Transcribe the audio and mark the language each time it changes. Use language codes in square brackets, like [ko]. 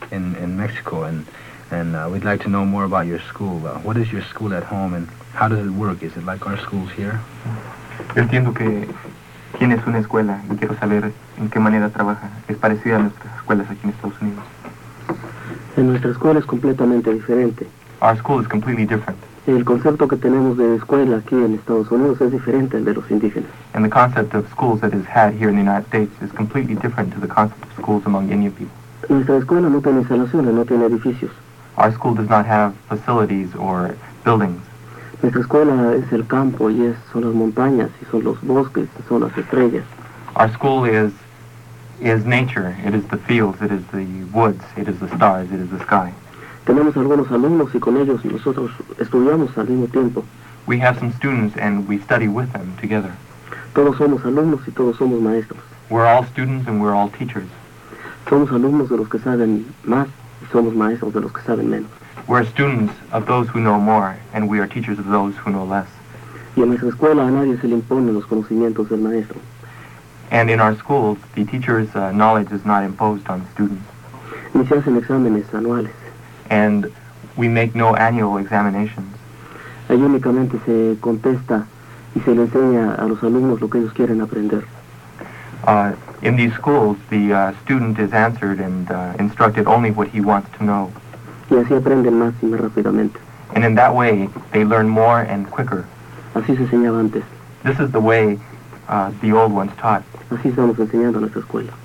[en] We'd like to know more about your school. What is your school at home and how does it work? Is it like our schools here? [es] Entiendo que tienes una escuela y quiero saber en qué manera trabaja. Es parecida a nuestras escuelas aquí en Estados Unidos. En nuestra escuela es completamente diferente. [en] Our school is completely different. [es] El concepto que tenemos de escuela aquí en Estados Unidos es diferente al de los indígenas. [en] And the concept of schools that is had here in the United States is completely different to the concept of schools among Indian people. [es] Nuestra escuela no tiene instalaciones, no tiene edificios. [en] Our school does not have facilities or buildings. [es] Nuestra escuela es el campo y es, son las montañas y son los bosques y son las estrellas. [en] Our school is nature. It is the fields, it is the woods, it is the stars, it is the sky. [es] Tenemos algunos alumnos y con ellos nosotros estudiamos al mismo tiempo. [en] We have some students and we study with them together. [es] Todos somos alumnos y todos somos maestros. [en] We're all students and we're all teachers. [es] Somos alumnos de los que saben más. Somos maestros de los que saben menos. [en] We're students of those who know more, and we are teachers of those who know less. [es] Y en nuestra escuela a nadie se le impone los conocimientos del maestro. [en] And in our schools, the teacher's knowledge is not imposed on students. [es] Ni se hacen exámenes anuales. [en] And we make no annual examinations. [es] Allí únicamente se contesta y se le enseña a los alumnos lo que ellos quieren aprender. [en] In these schools, the student is answered and instructed only what he wants to know. [es] Y así aprenden más y más rápidamente. [en] And in that way, they learn more and quicker. [es] Así se enseñaba antes. [en] This is the way the old ones taught. [es] Así estamos enseñando en nuestra escuela.